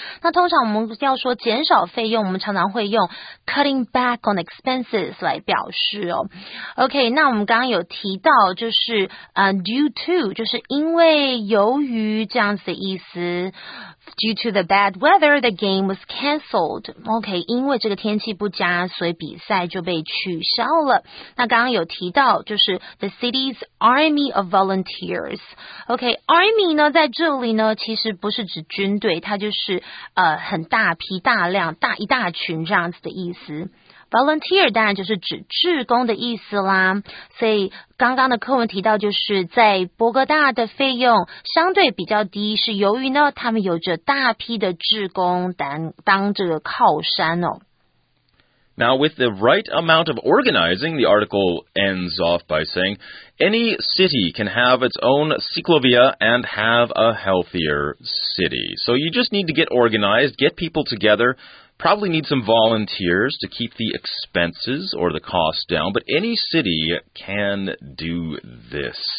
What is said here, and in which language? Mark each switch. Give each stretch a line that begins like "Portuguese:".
Chinese: 那通常我们要说减少费用我们常常会用
English: cutting back on expenses
Chinese: 来表示哦 Okay, 那我们刚刚有提到就是、due to, 就是因为由于这样子的意思
English: Due to the bad weather, the game was canceled.
Chinese: Okay, 因为这个天气不佳，所以比赛就被取消了。那刚刚有提到，就是
English: the city's army of volunteers.
Chinese: Okay, army 呢，在这里呢，其实不是指军队，它就是很大批、大量、大一大群这样子的意思。 Volunteer 当然就是指志工的意思啦，所以刚刚的课文提到，就是在波哥大的费用相对比较低，是由于呢他们有着大批的志工当这个靠山哦。
English: Now, with the right amount of organizing, the article ends off by saying, any city can have its own ciclovia and have a healthier city. So you just need to get organized, get people together. Probably need some volunteers to keep the expenses or the cost down, but any city can do this.